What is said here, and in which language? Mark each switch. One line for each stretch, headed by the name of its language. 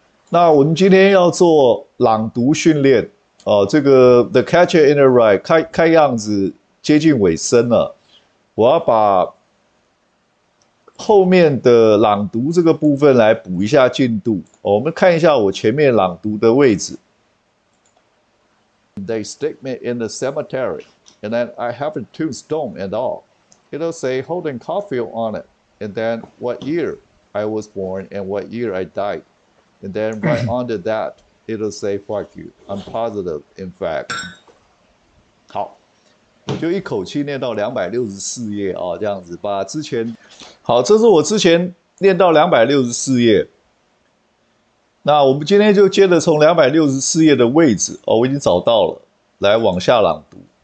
Chinese: 那我们今天要做朗读训练。哦，这个 The Catcher in the Rye 看样子接近尾声了，我要把后面的朗读这个部分来补一下进度。哦，我们看一下我前面朗读的位置。
English: They stick me in the cemetery, and then I have a tombstone and all. It'll say Holden Caulfield on it, and then what year I was born and what year I died, and then right under that. It'll say fuck you. I'm positive, in fact.
Chinese: 好，我就一口气念到264页哦，这样子把之前，好，这是我之前念到264页。那我们今天就接着从264页的位置哦，我已经找到了，来往下朗读。